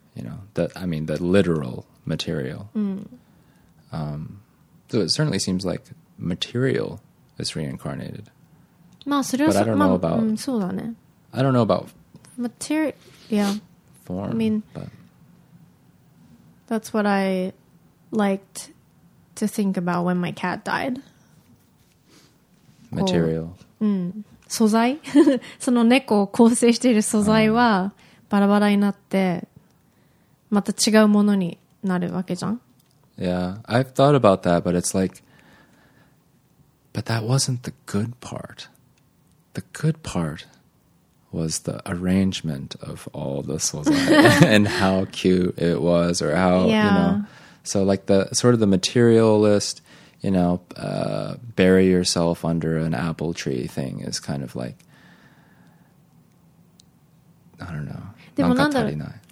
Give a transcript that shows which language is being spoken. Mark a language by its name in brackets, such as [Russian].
[English] You know, the literal material. So it certainly seems like material is reincarnated. I don't know about material. Yeah. Form. I mean, but that's what I liked to think about when my cat died. Material. [Japanese] Sozai. その猫を構成している素材はバラバラになって、また違うものになるわけじゃん? [English] Yeah. I've thought about that, but it's like, but that wasn't the good part. The good part was the arrangement of all the sozai and how cute it was, or how, yeah. you know. So like the sort of the materialist, you know, bury yourself under an apple tree thing is kind of like, I don't know.